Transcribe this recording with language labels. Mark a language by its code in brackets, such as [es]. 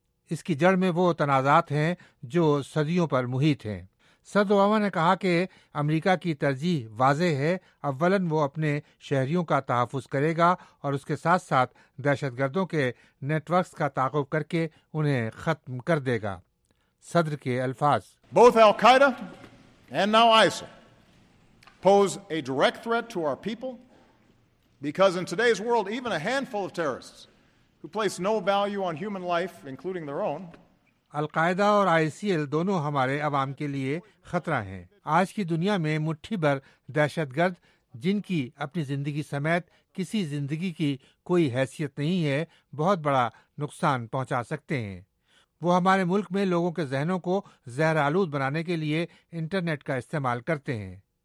[ur] اس کی جڑ میں وہ تنازعات ہیں جو صدیوں پر محیط ہیں. صدر اوباما نے کہا کہ امریکہ کی ترجیح واضح ہے. اولاً وہ اپنے شہریوں کا تحفظ کرے گا اور اس کے ساتھ ساتھ دہشت گردوں کے نیٹ ورکس کا تعاقب کر کے انہیں ختم کر دے گا. صدر کے الفاظ, [en] Both Al-Qaeda and now ISIL pose a direct threat to our people because in today's world even a handful of terrorists who place no value on human life including their own. [ur] القاعدہ اور آئی C L دونوں ہمارے عوام کے لیے خطرہ ہیں. آج کی دنیا میں مٹھی بھر دہشت گرد جن کی اپنی زندگی سمیت کسی زندگی کی کوئی حیثیت نہیں ہے بہت بڑا نقصان پہنچا سکتے ہیں. وہ ہمارے ملک میں لوگوں کے ذہنوں کو زہر آلود بنانے کے لیے انٹرنیٹ کا استعمال کرتے ہیں.